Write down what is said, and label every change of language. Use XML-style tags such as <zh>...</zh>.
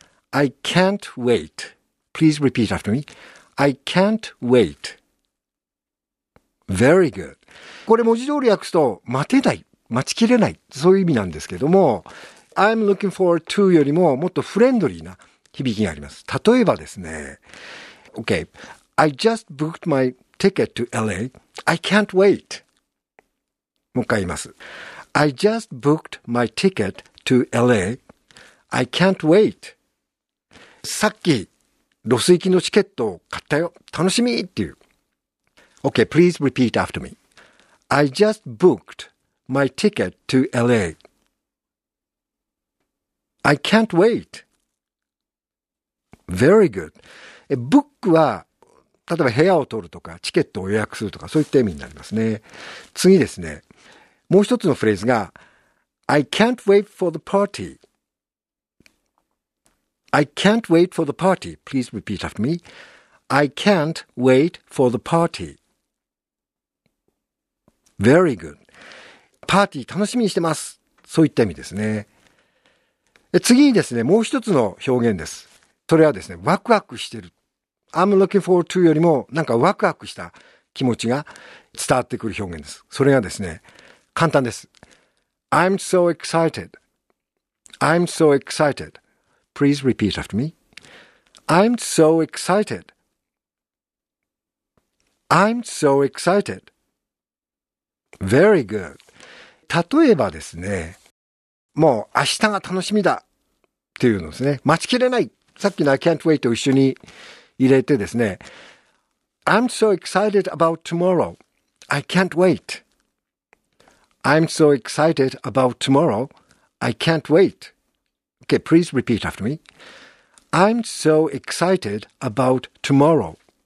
<en>I can't wait. Please repeat after me. I can't wait. Very good.</en> <ja>これ文字通り訳すと、待てない、待ちきれない、そういう意味なんですけども、</ja> <en>I'm looking forward to</en> <ja>よりももっとフレンドリーな響きがあります。例えばですね、</ja> <en>Okay. I just booked my ticket to LA. I can't wait.</en> <ja>もう一回言います。</ja> <en>I just booked my ticket to LA. I can't wait.</en> <ja>さっき、ロス行きのチケットを買ったよ。楽しみっていう。</ja> <en>Okay, please repeat after me.I just booked my ticket to LA.I can't wait.Very good.</en> <ja>Book は、例えば部屋を取るとか、チケットを予約するとか、そういった意味になりますね。次ですね。もう一つのフレーズが、</ja> <en>I can't wait for the party. I can't wait for the party. Please repeat after me. I can't wait for the party. Very good.</en> <ja>パーティー楽しみにしてます。そういった意味ですね。次にですね、もう一つの表現です。それはですね、ワクワクしてる。</ja> <en>I'm looking forward to</en> <ja>よりも、なんかワクワクした気持ちが伝わってくる表現です。それがですね、簡単です。</ja> <en>I'm so excited. I'm so excited. Please repeat after me. I'm so excited. I'm so excited. Very good.</en> <ja>例えばですね、もう明日が楽しみだっていうのですね。待ちきれない。さっきの</ja> <en>I can't wait</en> <ja>を一緒に入れてですね。</ja> <en>I'm so excited about tomorrow. I can't wait. I'm so excited about tomorrow. I can't wait. Okay, please repeat after me. I'm so excited about tomorrow.</en>